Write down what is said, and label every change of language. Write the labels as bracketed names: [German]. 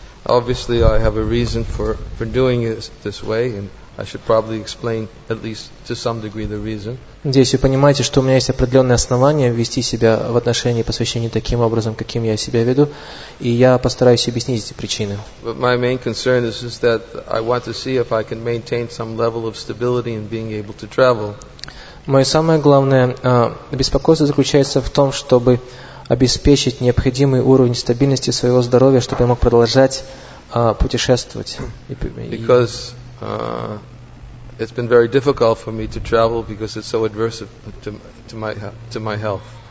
[English] Obviously, I have a reason for doing it this way, and I should probably explain at least to some degree the reason. [Russian] Здесь вы понимаете, что у меня есть определенные основания вести себя в отношении посвящения таким образом, каким я себя веду, и я постараюсь объяснить эти причины. [English] But my main concern is that I want to see if I can maintain some level of stability in being able to travel. [Russian] Мое самое главное беспокойство заключается в том, чтобы обеспечить необходимый уровень стабильности своего здоровья, чтобы я мог продолжать путешествовать. [English] Because it's been very difficult for me to travel because it's so adverse to my health.